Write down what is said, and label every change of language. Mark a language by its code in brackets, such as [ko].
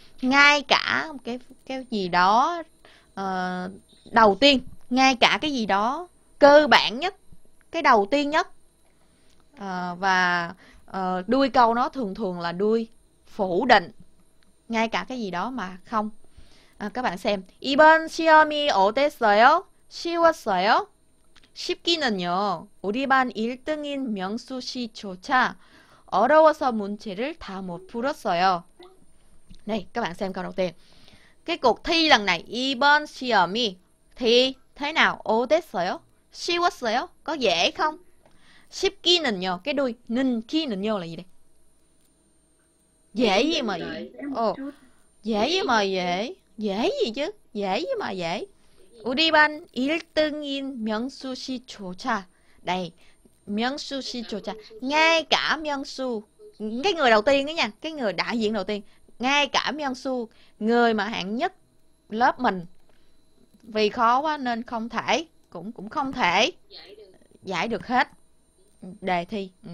[vi] Ngay cả cái gì đó đầu tiên, ngay cả cái gì đó cơ bản nhất, cái đầu tiên nhất. Và đuôi câu nó thường thường là đuôi phủ định, ngay cả cái gì đó mà không. Các bạn xem [ko] 이번 시험이 어땠어요? 쉬웠어요? 쉽기는요. 우리 반 1등인 명수 씨조차 어려워서 문제를 다못 풀었어요. [vi] Này, các bạn xem câu đầu tiên. Cái cuộc thi lần này [ko] 이번 시험이 [vi] thì thế nào? [ko] 어땠어요? 쉬웠어요? [vi] Có dễ không? [ko] 쉽기는요. [vi] Cái đuôi 는기는요 là gì đây? Dễ gì mà dễ? Dễ gì mà dễ? Dễ gì chứ? Dễ gì mà dễ? [ko] 우리 반 1등인 명수 씨조차. [vi] Đây, Miếng sushi chua cha. Ngay cả Miếng su, cái người đầu tiên ấy nha, cái người đại diện đầu tiên, ngay cả Miếng su, người mà hạng nhất lớp mình, vì khó quá nên không thể, cũng cũng không thể giải được hết đề thi.